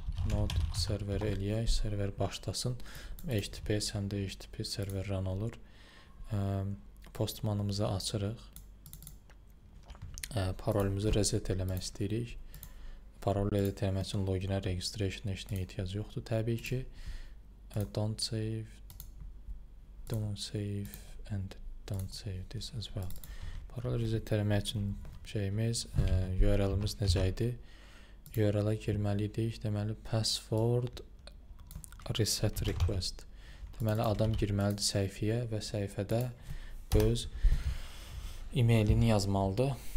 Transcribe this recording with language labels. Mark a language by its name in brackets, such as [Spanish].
[Azerbaijani] Node serveri eləyək. Server başlasın. HTTP, həm də HTTP server run olur. Postmanımızı açırıq. Parolumuzu reset eləmək istəyirik. Parol edə təmək üçün login-ə, registration-ə heç nəyə ehtiyac yoxdur, təbii ki. [English] Don't save, don't save and don't save this as well. [Azerbaijani] Parol reset eləmək üçün şeyimiz, URL-imiz necə idi? URL-ə girməliydik, deməli password reset request. Deməli adam girməlidir səhifəyə və səhifədə öz e-mailini yazmalıdır.